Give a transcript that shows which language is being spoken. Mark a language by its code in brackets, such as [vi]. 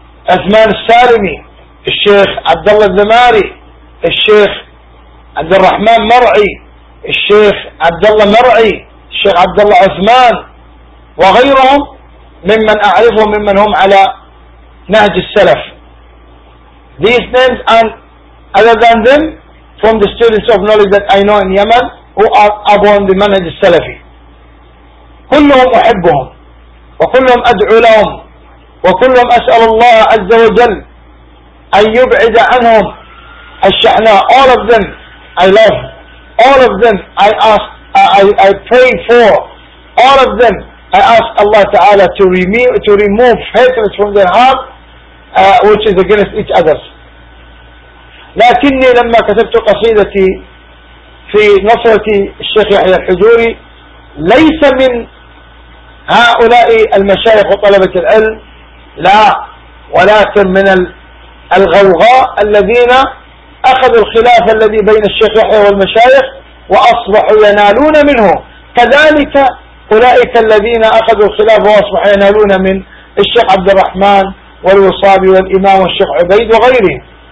[ar] أثمان السالمي، الشيخ عبد الله الدماري، الشيخ عبد الرحمن مرعي، الشيخ عبد الله مرعي، الشيخ عبد الله عثمان، وغيرهم ممن أعرفهم ممن هم على نهج السلف. [en] These names and other than them from the students of knowledge that I know in Yemen who are upon the manhaj al-Salafi. [ar] كلهم أحبهم وكلهم أدعو لهم وكلهم أسأل الله عز وجل أن يبعد عنهم الشحناء. [en] All of them I love. All of them I ask, I pray for. All of them I ask Allah Ta'ala to remove hatred from their heart which is against each other. [ar] لكني لما كتبت قصيدتي في نصرة الشيخ يحيى الحجوري ليس من هؤلاء المشايخ وطلبة العلم، لا، ولكن من الغوغاء الذين أخذوا الخلاف الذي بين الشيخ يحيى والمشايخ وأصبحوا ينالون منه، كذلك أولئك الذين أخذوا الخلاف وأصبحوا ينالون من الشيخ عبد الرحمن والوصابي والإمام والشيخ عبيد وغيرهم.